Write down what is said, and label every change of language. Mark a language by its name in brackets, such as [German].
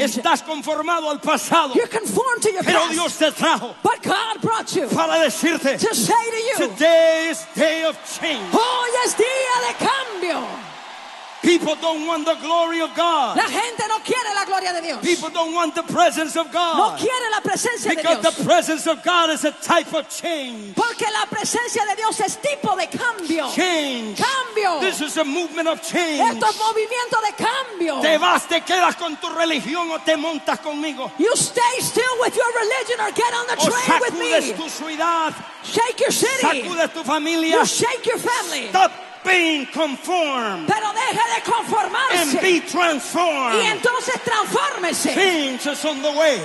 [Spanish] Estás conformado al pasado. [English] You're conformed to your [Spanish] Pero [English] past. [Spanish] Dios te trajo [English] But God brought you [Spanish] para decirte [English] to say to you, Today is day of change. [Spanish] Hoy es día de cambio. [English] People don't want the glory of God. [Spanish] La gente no quiere la gloria de Dios. [English] People don't want the presence of God. [Spanish] No quiere la presencia [English] Because [Spanish] de Dios. [English] The presence of God is a type of change. [Spanish] Porque la presencia de Dios es tipo de cambio. [English] Change. [Spanish] Cambio. [English] This is a movement of change. [Spanish] Esto es movimiento de cambio. Te vas, te quedas con tu religión o te montas conmigo. [English] You stay still with your religion or get on the train with me. [Spanish] O sacudes tu ciudad. [English] Shake your city. [Spanish] Sacudes tu familia. [English] You shake your family. Stop. Being conformed. [Spanish] Pero deje de conformarse. [English] And be transformed. [Spanish] Y entonces transfórmese. [English] Change is on the way.